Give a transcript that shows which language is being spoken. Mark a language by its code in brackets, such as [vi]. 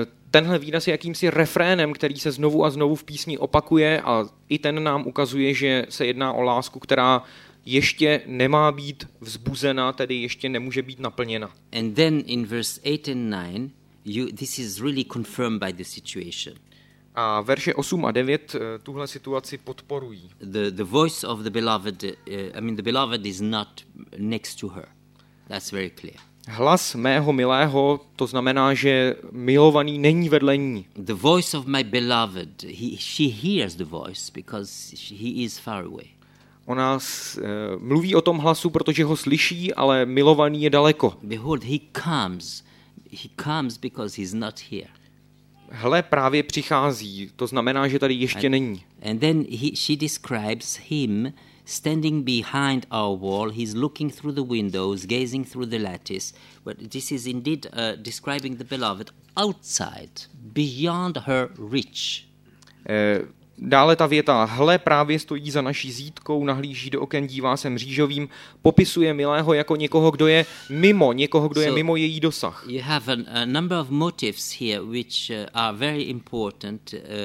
[cs] Tenhle výraz je jakýmsi refrénem, který se znovu a znovu v písni opakuje a i ten nám ukazuje, že se jedná o lásku, která ještě nemá být vzbuzena, tedy ještě nemůže být naplněna. [en] And then in verse 8 and 9, this is really confirmed by the situation. [cs] A verše 8 a 9 tuhle situaci podporují. [en] The voice of the beloved, the beloved is not next to her. That's very clear. [cs] Hlas mého milého, to znamená, že milovaný není vedle ní. [en] The voice of my beloved, she hears the voice because he is far away. [cs] Ona mluví o tom hlasu, protože ho slyší, ale milovaný je daleko. [en] Behold, he comes because he's not here. [cs] Hle, právě přichází, to znamená, že tady ještě není. [en] And then she describes him standing behind our wall, he's looking through the windows, gazing through the lattice. But this is indeed describing the beloved outside, beyond her reach. [cs] Dále ta věta, hle, právě stojí za naší zítkou, nahlíží do oken, dívá se mřížovým, popisuje milého jako někoho, kdo je mimo, někoho, kdo je mimo její dosah. [en] You have a number of motives here which are very important.